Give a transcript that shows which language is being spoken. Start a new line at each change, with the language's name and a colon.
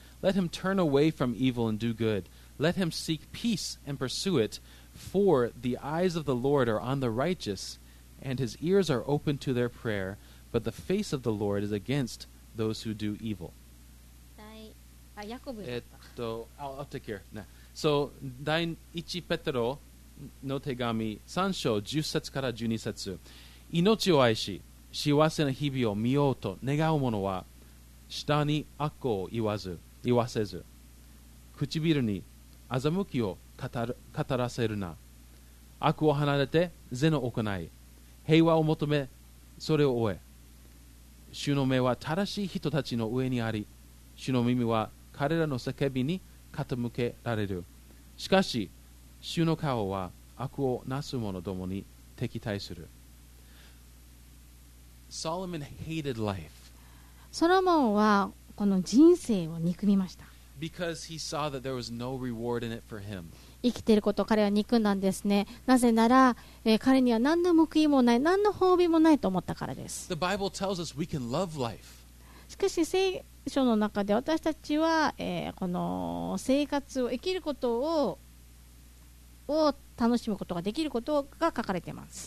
English: Let him turn away from evil and do good. Let him seek peace and pursue it. For the eyes of the Lord are on the righteous and his ears are open to their prayer. But the face of the Lord is against those who do evil. I'll take care. Nah.
Japanese: So, 第1ペテロの手紙3章10節から12節。命を愛し、幸せな日々を見ようと願う者は、下に悪を言わせず、唇に欺きを語らせるな。悪を離れて、善を行い、平和を求めそれを追え。主の目は正しい人たちの上にあり、主の耳は彼らの叫びに傾けられる。しかし主の顔は悪をなす者どもに敵対する。
English: Solomon hated life.
Japanese: ソロモンはこの人生を憎みました。
English: Because he saw that there was no reward in it for him.
Japanese: 生きていることを彼は憎んだんですね。なぜなら、彼には何の報いもない、何の褒美もないと思ったからです。
English: The Bible tells us we can love life.
Japanese: しかし聖書の中で私たちは、この生活を生きることを楽しむことができることが書かれています。